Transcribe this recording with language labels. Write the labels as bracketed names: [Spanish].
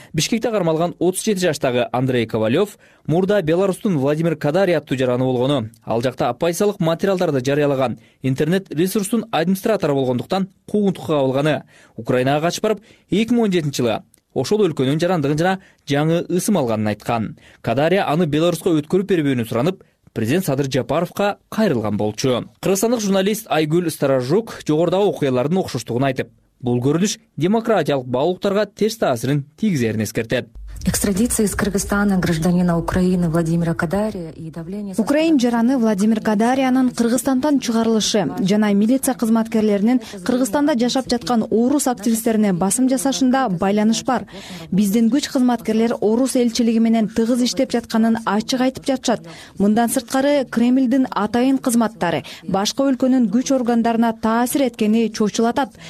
[Kyrgyz] Бишкекте кармалган 37 жаштагы Андрей Ковалев мурда Беларусьтун Владимир Кадария аттуу жараны болгону, ал жакта оппозициялык материалдарды жарыялаган интернет ресурстун администратору болгондуктан куугунтукка кабылганы, Украинага качып барып 2017 жылы ошол өлкөнүн жарандыгын жана жаңы ысым алганын айткан. Кадария аны Беларусько өткөрүп бербөөнү суранып, президент Садыр Жапаровко кайрылган болчу. Кыргызстандык журналист Айгүл Старажук жогордагы окуялардын окшоштугун айтып, бул көрүнүш демократиялык баалуулуктарга терс таасирин тийгизэрин эскертет. [Russian] Экстрадиция из Кыргызстана гражданина Украины Владимира Кадария и давление [Kyrgyz] Украин жараны Владимир Кадариянын Кыргызстандан чыгарылышы жана милиция кызматкерлеринин Кыргызстанда жашап жаткан орус активисттерине басым жасашында байланыш бар. Биздин күч кызматкерлер орус элчилиги менен тыгыз иштеп жатканын ачык айтып жатышат. Мындан сырткары Кремлдин атайын кызматтары башка өлкөнүн күч органдарына таасир эткени чочулатат.